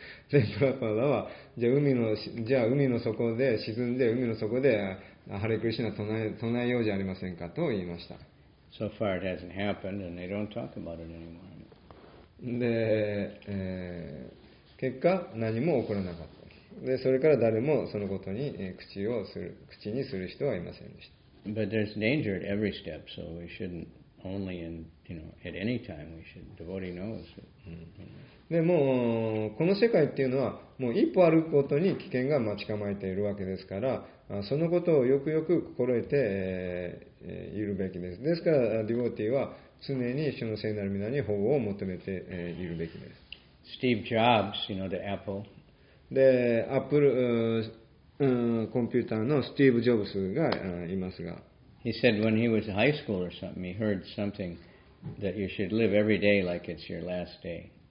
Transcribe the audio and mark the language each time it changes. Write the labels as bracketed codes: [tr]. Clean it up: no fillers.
[ja] で、プラパダは、じゃあ海の底で沈んで、海の底で、ハレクリシナ唱えようじゃありませんかと言いました。 [en] So far it hasn't happened, and they don't talk about it anymore. [ja] で、結果、何も起こらなかった。でそれから誰もそのことに口にする人はいませんでした。 [en] But there's danger at every step, so we shouldn't only in, you know, at any time we should. Devotee knows. [ja] でもこの世界っていうのはもう一歩歩くことに危険が待ち構えているわけですから、そのことをよくよく心得て、いるべきです。ですから Devotee は常に主の聖なる皆に保護を求めて、いるべきです。 [en] Steve Jobs, you know, the Apple. [ja] で、アップル、コンピューターのスティーブ・ジョブスが、いますが。 [en] He said when he was in high school or something, he heard something that you should live every day like it's your last day.